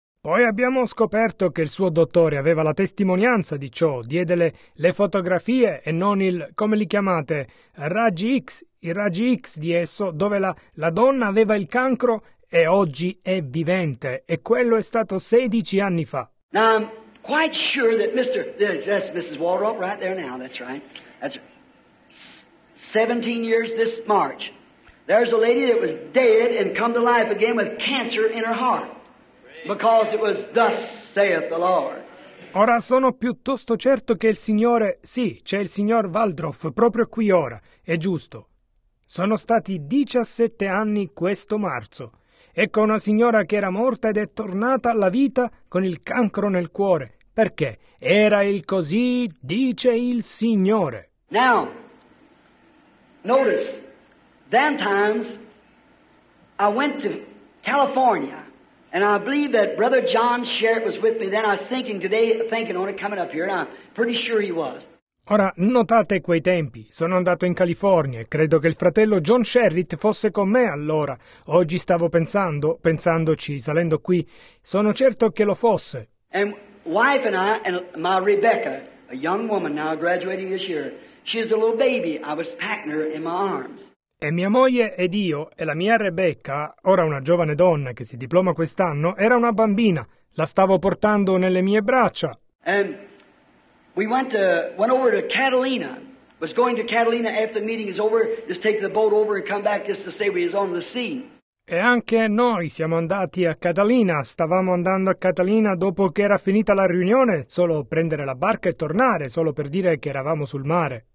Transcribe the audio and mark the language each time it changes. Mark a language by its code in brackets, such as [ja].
[it] Poi abbiamo scoperto che il suo dottore aveva la testimonianza di ciò, diede le fotografie e non il, come li chiamate, raggi X, i raggi X di esso, dove la donna aveva il cancro e oggi è vivente, e quello è stato 16 anni fa. [en] Now, I'm quite sure that that's Mrs. Waldrop right there now, that's right. That's 17 years this March. There's a lady that was dead and come to life again with cancer in her heart. Because it was thus saith the Lord. [it] Ora sono piuttosto certo che il Signore, sì, c'è il signor Waldrop proprio qui ora, è giusto. Sono stati 17 anni questo marzo. Ecco una signora che era morta ed è tornata alla vita con il cancro nel cuore. Perché? Era il così, dice il Signore. [en] Now, notice, then times I went to California. And I believe that Brother John Sherritt was with me then. I was thinking today, thinking on it, coming up here, and I'm pretty sure he was. [it] Ora, notate quei tempi. Sono andato in California e credo che il fratello John Sherritt fosse con me allora. Oggi stavo pensandoci, salendo qui. Sono certo che lo fosse. [en] And wife and I, and my Rebecca, a young woman now graduating this year, she is a little baby. I was packing her in my arms. [it] E mia moglie ed io, e la mia Rebecca, ora una giovane donna che si diploma quest'anno, era una bambina. La stavo portando nelle mie braccia. [en] And we went over to Catalina. Was going to Catalina after the meeting is over, just take the boat over and come back just to say we is on the sea. [it] E anche noi siamo andati a Catalina. Stavamo andando a Catalina dopo che era finita la riunione, solo prendere la barca e tornare, solo per dire che eravamo sul mare.